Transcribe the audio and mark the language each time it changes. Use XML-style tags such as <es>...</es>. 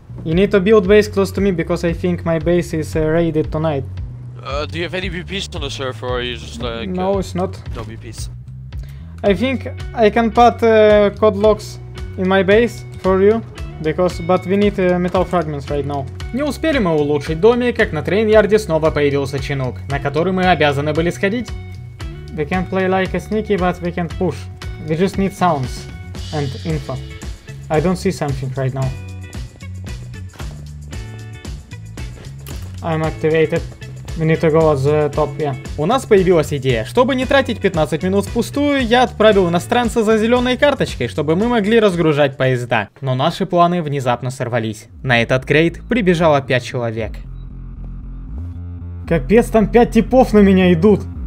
<en>You need to build base close to me, because I think my base is raided tonight. Do you have any BPs on the server, or are you just like... No, it's not. No BPs. I think I can put code locks in my base for you. But we need metal fragments right now.</en> <ru>Не успели мы улучшить домик, как на трейн-ярде снова появился чинук, на который мы обязаны были сходить.</ru> <en>We can play like a sneaky, but we can't push. We just need sounds and info. I don't see something right now. I'm activated. We need to go at the top, yeah.</en> <ru>У нас появилась идея. Чтобы не тратить 15 минут впустую, я отправил иностранца за зеленой карточкой, чтобы мы могли разгружать поезда. Но наши планы внезапно сорвались. На этот крейд прибежало 5 человек. Капец, там 5 типов на меня идут.</ru>